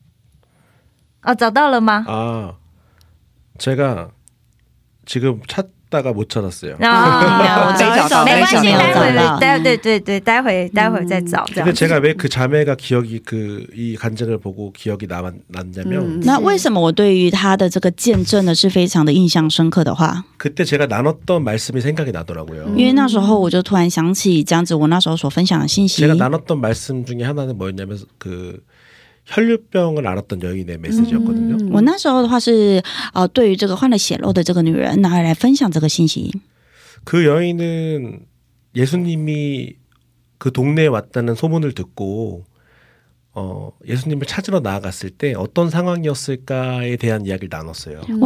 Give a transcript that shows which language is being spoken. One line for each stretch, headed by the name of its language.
Chinese: 牧师觉得这见证实在是太让他印象深刻了。嗯，对，嗯，带给他很多鼓励啊，应该是这样子吧。还是我们要下一个礼拜听。牧师等一下找，然后我们下个礼拜听。哦，找到了吗？啊，
Korean: 제가 지금 찾다가 못 찾았어요.
Chinese: 没关系，待会，对对对对，待会再找。
Korean: 제가 왜 그 자매가 기억이 그 이 간증을 보고 기억이 남았냐면.
Chinese: 那为什么我对于他的这个见证呢是非常的印象深刻的话？
Korean: 그때 제가 나눴던 말씀이 생각이 나더라고요.
Chinese: 因为那时候我就突然想起这样子我那时候所分享的信息。
Korean: 제가 나눴던 말씀 중에 하나는 뭐였냐면 그 혈류병을 앓았던 여인의 메시지였거든요.
Chinese: 我那时候的话是对于这个患了血漏的这个女人拿来分享这个信息。
Korean: 그 여인은 예수님이 그 동네에 왔다는 소문을 듣고 예수님을 찾으러 나아갔을 때 어떤 상황이었을까에 대한 이야기를 나눴어요.